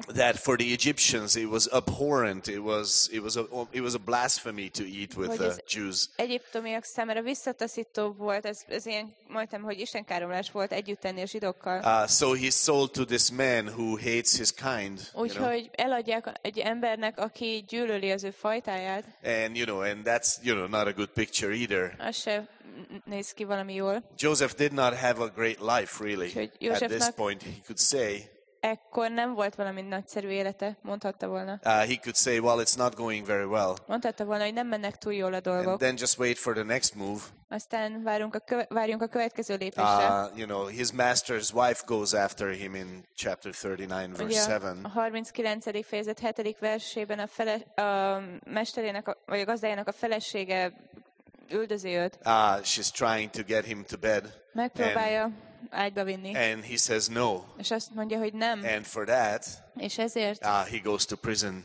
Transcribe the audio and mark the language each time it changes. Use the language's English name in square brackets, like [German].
[English] That for the Egyptians it was abhorrent, it was a blasphemy to eat with the Jews. [Hungarian] Egyiptomiak számára visszataszító volt, ez ilyen majdnem, hogy istenkáromlás volt együtt enni a zsidókkal. [English] So he sold to this man who hates his kind. [Hungarian] Úgyhogy eladják egy embernek, aki gyűlöli az ő fajtáját. [English] And you know, and that's, you know, not a good picture either. [Hungarian] Néz ki valami jól. [English] Joseph did not have a great life, really. At this point, he could say. [Hungarian] Ekkor nem volt valami nagyszerű élete, mondhatta volna. [English] He could say, well, it's not going very well. [Hungarian] Mondhatta volna, hogy nem mennek túl jól a dolgok. [English] And then just wait for the next move. [Hungarian] Aztán várjunk a következő lépésre. [English] You know, his master's wife goes after him in chapter 39, verse 7. [Hungarian] A 39. fejezet 7. versében a mesterének vagy a gazdájának a felesége üldözi őt. [English] She's trying to get him to bed. [Hungarian] Megpróbálja ágyba vinni. [English] And he says no. [Hungarian] És azt mondja, hogy nem. [English] And for that. [Hungarian] És ezért. [English] He goes to prison.